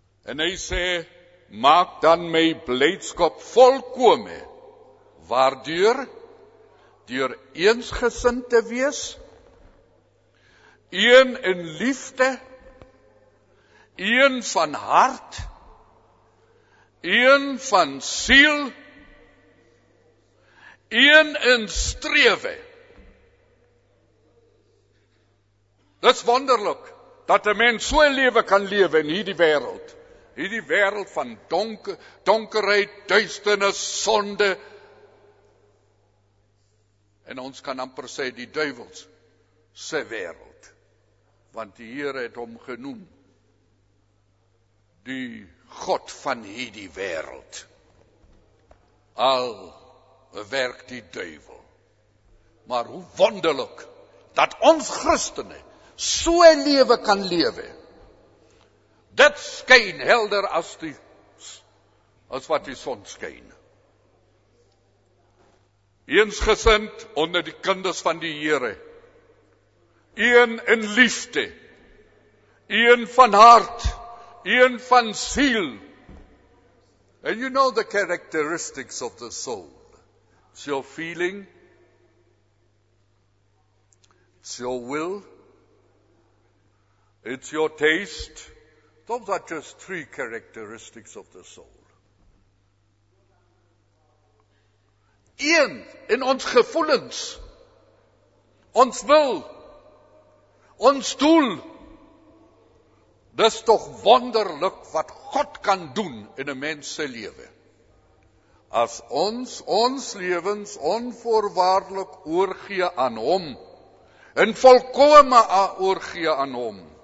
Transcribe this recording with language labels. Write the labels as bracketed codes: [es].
[af] En hy sê, maak dan my blijdskap volkome, waardeur deur eensgesind te wees, een in liefde, een van hart, een van siel, een in strewe. Dis wonderlik, dat 'n mens so 'n lewe kan lewe in hierdie wêreld. Hierdie wêreld van donkerheid, duisternis, sonde. En ons kan amper sê die duivels se wêreld. Want die Here het hom genoem die God van hierdie wêreld. Al werk die duivel. Maar hoe wonderlik dat ons Christene so 'n lewe kan lewe. Dit skyn helder as die as wat die son skyn. Eensgesind onder die kinders van die Here. Een in liefde. Een van hart, een van siel. [en] And you know the characteristics of the soul. It's your feeling, it's your will, it's your taste. Those are just three characteristics of the soul. [af] Een in ons gevoelens, ons wil, ons doel, Dis toch wonderlik wat God kan doen in een mens se lewe. As ons, ons levens onvoorwaardelik oorgee aan hom, en volkome oorgee aan hom.